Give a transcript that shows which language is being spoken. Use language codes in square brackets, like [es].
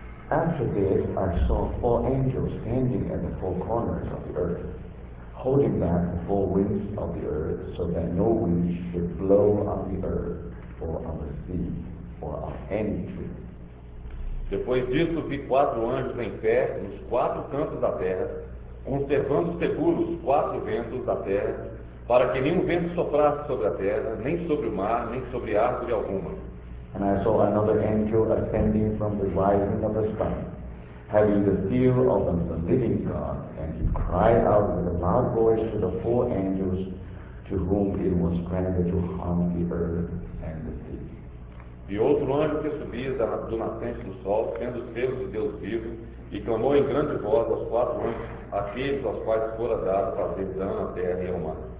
[en] After this, I saw four angels standing at the four corners of the earth, holding back the four winds of the earth, so that no wind should blow on the earth, or on the sea, or on any tree. [pt] Depois disso, vi quatro anjos em pé nos quatro cantos da terra, conservando seguros os quatro ventos da terra, para que nenhum vento soprasse sobre a terra, nem sobre o mar, nem sobre árvore alguma. [en] And I saw another angel ascending from the rising of the sun, having the seal of the living God, and he cried out with a loud voice to the four angels to whom it was granted to harm the earth and the sea. [pt] E outro anjo que subia do nascente do sol, tendo os selos de Deus vivo, e clamou em grande voz aos quatro anjos, aqueles aos quais fora dado fazer dano à terra e ao mar.